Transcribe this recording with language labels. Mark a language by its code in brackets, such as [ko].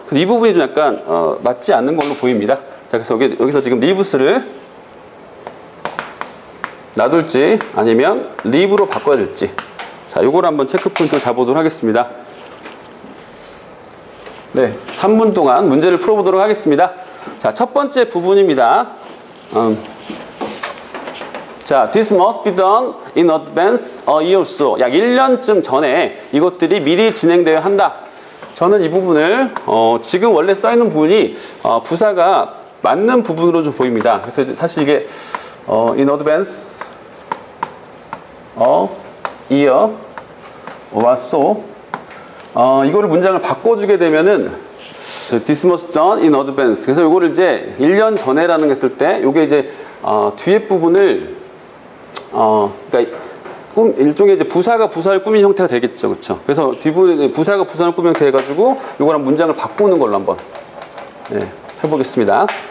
[ko] 그래서 이 부분이 좀 약간 맞지 않는 걸로 보입니다. 자, 그래서 여기서 지금 리브스를 놔둘지 아니면 리브로 바꿔야 될지. 자, 요걸 한번 체크 포인트로 잡아보도록 하겠습니다. 네, 3분 동안 문제를 풀어보도록 하겠습니다. 자, 첫 번째 부분입니다. [en] 자, this must be done in advance a year or so. [ko] 약 1년쯤 전에 이것들이 미리 진행되어야 한다. 저는 이 부분을 지금 원래 써 있는 부분이 부사가 맞는 부분으로 좀 보입니다. 그래서 사실 이게 [en] in advance a year or so. [ko] 이거를 문장을 바꿔주게 되면은 [en] this must be done in advance. [ko] 그래서 이거를 이제 1년 전에라는 했을 때 이게 이제 뒤에 부분을 그러니까 일종의 이제 부사가 부사를 꾸민 형태가 되겠죠. 그렇죠? 그래서 뒷부분에 부사가 부사를 꾸민 형태 해가지고 이거랑 문장을 바꾸는 걸로 한번 네, 해보겠습니다.